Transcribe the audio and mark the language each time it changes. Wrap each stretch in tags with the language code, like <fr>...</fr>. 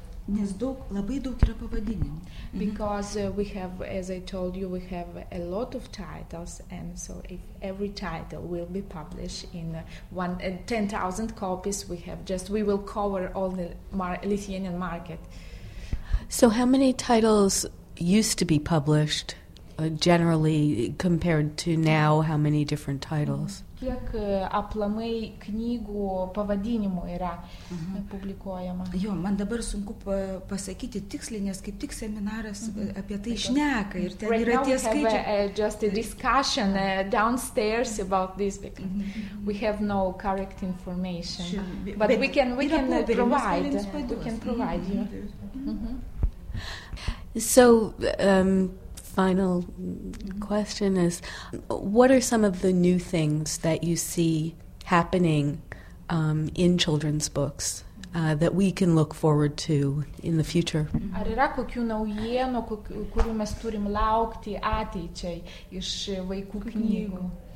<lt>Nes daug, labai daug yra pavadinimų.</lt> <en>Because we have, as I told you, we have a lot of titles, and so if every title will be published in 10,000 copies, we have just, we will cover all the Lithuanian market. So how many titles used to be published? generally compared to now, how many different titles?</en> <lt>Kiek aplamai knygų pavadinimų yra publikuojama? Jo, man dabar sunku pasakyti tiksliai, nes kaip tik seminaras apie tai šneka ir ten yra tie skaičiai.</lt> <en>Right now we have just a discussion downstairs about this because we have no correct information. But we can provide. We can provide you. So, final question is, what are some of the new things that you see happening in children's books that we can look forward to in the future?</en> <lt>Ar yra kokių naujienų, kurių mes turim laukti ateičiai iš vaikų knygų?</lt>